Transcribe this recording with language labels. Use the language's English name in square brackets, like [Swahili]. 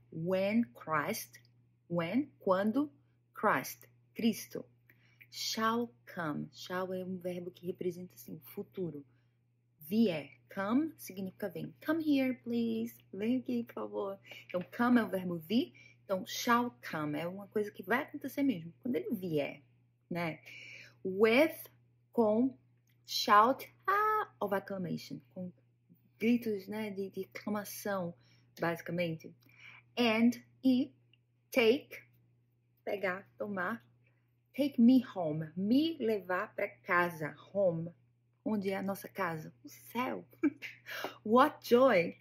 [English] When Christ, when, quando, Christ, Cristo, shall come. [Portuguese] Shall é um verbo que representa, assim, o futuro. [English] Vier. Come [Portuguese] significa vem. [English] Come here, please. [Portuguese] Vem aqui, por favor. Então, come é o verbo vir. Então, shall come é uma coisa que vai acontecer mesmo. Quando ele vier, né? [English] With, com, shout, of acclamation. [Portuguese] Com gritos, né? De aclamação, basicamente. [English] And, e, take, [Portuguese] pegar, tomar. [English] Take me home. [Portuguese] Me levar para casa. Home. Onde é a nossa casa? O céu. [English] What joy.